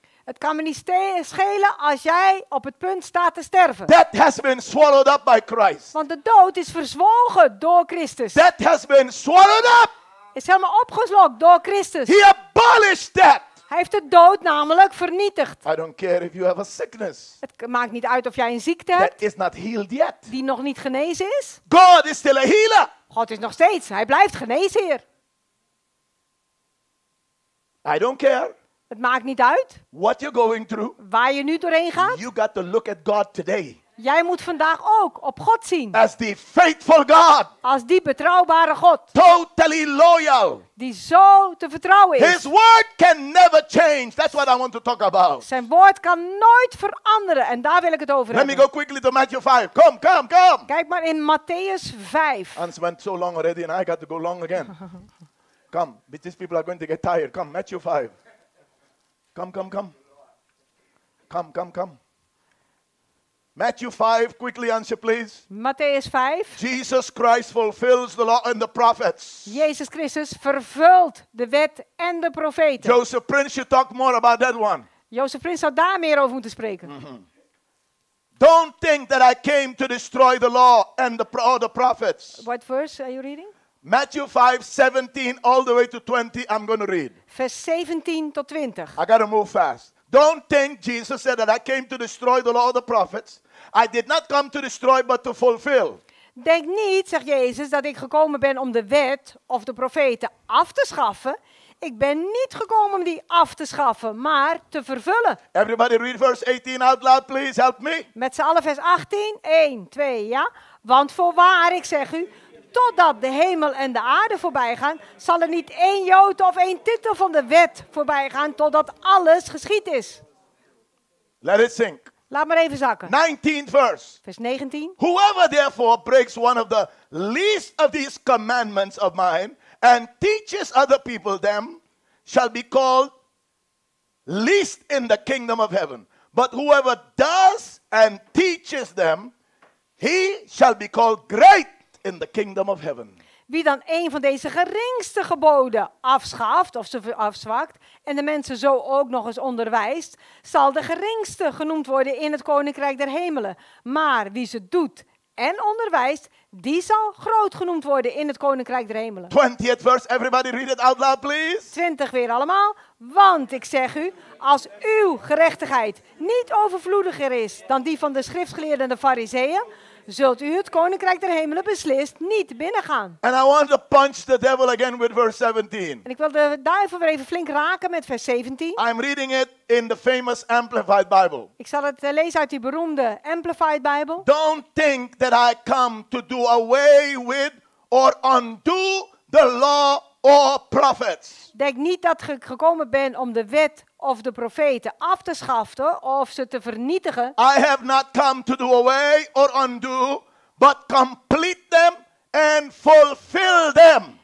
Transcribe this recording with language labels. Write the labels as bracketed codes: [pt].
[nl] Het kan me niet schelen als jij op het punt staat te sterven. [en] Death has been swallowed up by Christ. [nl] Want de dood is verzwolgen door Christus. [en] Death has been swallowed up. [nl] Is helemaal opgeslokt door Christus. [en] He abolished death. [nl] Hij heeft de dood namelijk vernietigd. [en] I don't care if you have a sickness. [nl] Het maakt niet uit of jij een ziekte hebt. [en] That is not healed yet. [nl] Die nog niet genezen is. [en] God is still a healer. [nl] God is nog steeds. Hij blijft genezer. [en] I don't care. [nl] Het maakt niet uit. [en] What you're going through. [nl] Waar je nu doorheen gaat. [en] You got to look at God today. [nl] Jij moet vandaag ook op God zien. [en] As the faithful God. [nl] Als die betrouwbare God. [en] Totally loyal. [nl] Die zo te vertrouwen is. [en] His word can never change. That's what I want to talk about. [nl] Zijn woord kan nooit veranderen en daar wil ik het over hebben. [en] Let me go quickly to Matthew 5. Come. [nl] Kijk maar in Matthäus 5. [en] Hans went so long already and I got to go long again. Come, but these people are going to get tired. Come, Matthew 5. Come. Matthew 5, quickly answer please. [nl] Matthäus 5. [en] Jesus Christ fulfills the law and the prophets. [nl] Jezus Christus vervult de wet en de profeten. [en] Joseph Prince, you talk more about that one. [nl] Joseph Prince zou daar meer over moeten spreken. Mm-hmm. [en] Don't think that I came to destroy the law and the prophets. What verse are you reading? Matthew 5, 17 all the way to 20, I'm going to read. [nl] Vers 17 tot 20. [en] I got to move fast. Don't think Jesus said that I came to destroy the law of the prophets. I did not come to destroy but to fulfill. [nl] Denk niet, zegt Jezus, dat ik gekomen ben om de wet of de profeten af te schaffen. Ik ben niet gekomen om die af te schaffen, maar te vervullen. [en] Everybody read verse 18 out loud, please help me. [nl] Met z'n allen vers 18. 1, 2, ja. Want voorwaar, ik zeg u, totdat de hemel en de aarde voorbij gaan, zal er niet één jota of één tittel van de wet voorbij gaan, totdat alles geschied is. [en] Let it sink. [nl] Laat maar even zakken. [en] 19th verse. [nl] Vers 19. [en] Whoever therefore breaks one of the least of these commandments of mine and teaches other people them, shall be called least in the kingdom of heaven. But whoever does and teaches them, he shall be called great in the kingdom of heaven. [nl] Wie dan een van deze geringste geboden afschaft of ze afzwakt en de mensen zo ook nog eens onderwijst, zal de geringste genoemd worden in het koninkrijk der hemelen. Maar wie ze doet en onderwijst, die zal groot genoemd worden in het koninkrijk der hemelen. [en] 20th verse, everybody read it out loud please. [nl] 20 weer allemaal. Want ik zeg u, als uw gerechtigheid niet overvloediger is dan die van de schriftgeleerden en de fariseeën, zult u het koninkrijk der hemelen beslist niet binnengaan. [en] And I want to punch the devil again with verse 17. [nl] En ik wil de duivel weer even flink raken met vers 17. [en] I'm reading it in the famous Amplified Bible. [nl] Ik zal het lezen uit die beroemde Amplified Bible. [en] Don't think that I come to do away with or undo the law or prophets. [nl] Denk niet dat ik gekomen ben om de wet of de profeten af te schaffen of ze te vernietigen. [en] I have not come to do away or undo, but complete them and fulfill them.